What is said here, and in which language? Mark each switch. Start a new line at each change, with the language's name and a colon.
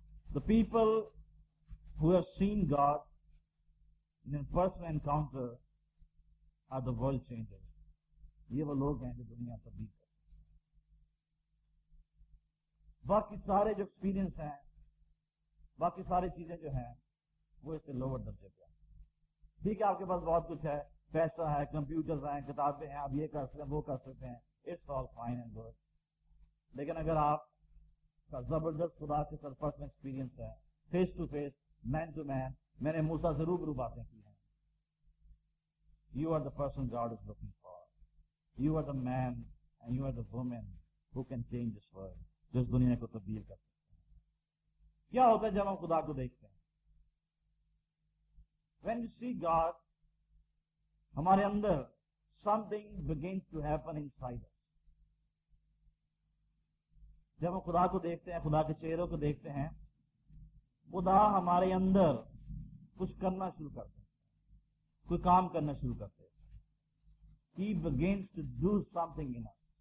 English: The people who have seen God in a personal encounter are the world changers.
Urdu: یہ وہ لوگ ہیں جو دنیا تبدیل کرتے ہیں. باقی سارے جو ایکسپیرینس ہیں, باقی ساری چیزیں جو ہیں وہ اس سے لوور درجے پہ ہیں. ٹھیک ہے, آپ کے پاس بہت کچھ ہے, پیسہ ہے, کمپیوٹرز ہیں, کتابیں ہیں, آپ یہ کر سکتے ہیں, وہ کر سکتے ہیں,
English: It's all fine and good.
Urdu: لیکن اگر آپ کا زبردست خدا کے ساتھ پرسنل ایکسپیرینس ہے,
English: face to face, man to man,
Urdu: میں نے موسیٰ سے روبرو باتیں کی ہیں,
English: you are the person God is looking for, you are the man and you are the woman who can change this world,
Urdu: جس دنیا کو تبدیل کر سکتے ہیں. کیا ہوتا ہے جب ہم خدا کو دیکھتے ہیں؟
English: when you see God,
Urdu: ہمارے اندر
English: Something begins to happen inside.
Urdu: جب ہم خدا کو دیکھتے ہیں, خدا کے چہروں کو دیکھتے ہیں, خدا ہمارے اندر کچھ کرنا شروع کرتے ہیں, کوئی کام کرنا شروع کرتے ہیں.
English: He begins to do something in us.